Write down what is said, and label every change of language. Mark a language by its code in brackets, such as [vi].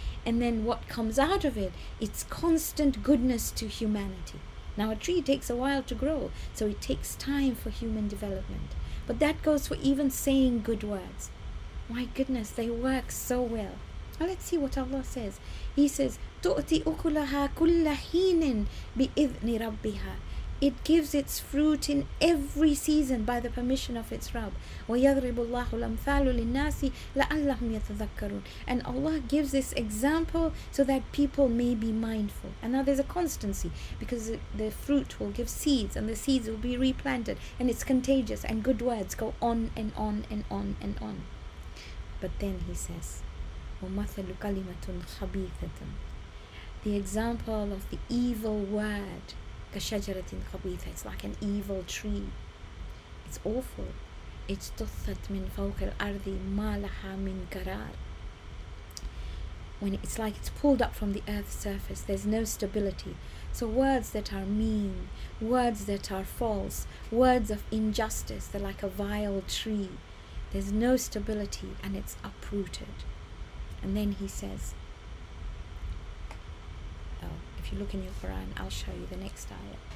[en] And then what comes out of it, it's constant goodness to humanity. Now a tree takes a while to grow, so it takes time for human development. But that goes for even saying good words. My goodness, they work so well. Now let's see what Allah says. He says, [ar] تُؤْتِ أُكُلَهَا كُلَّ حِينٍ بِإِذْنِ رَبِّهَا. [en] It gives its fruit in every season by the permission of its Rabb. [ar] وَيَضْرِبُ اللَّهُ الْأَمْثَالُ لِلنَّاسِ لَأَلَّهُمْ يَتَذَكَّرُونَ. [en] And Allah gives this example so that people may be mindful. And now there's a constancy, because the fruit will give seeds and the seeds will be replanted, and it's contagious, and good words go on and on and on and on. But then he says, [ar] وَمَثَلُ كَلِمَةٌ خَبِيثَةٌ. [en] The example of the evil word, [ar] كَشَجَرَةٍ خَبِيثَةٌ, [en] it's like an evil tree. It's awful. It's [ar] تُثَّتْ مِنْ فَوْقِ الْأَرْضِ مَا لَهَا مِنْ قَرَارٍ. [en] When it's like it's pulled up from the earth's surface, there's no stability. So words that are mean, words that are false, words of injustice, they're like a vile tree. There's no stability and it's uprooted. And then he says, if you look in your Quran, I'll show you the next ayah.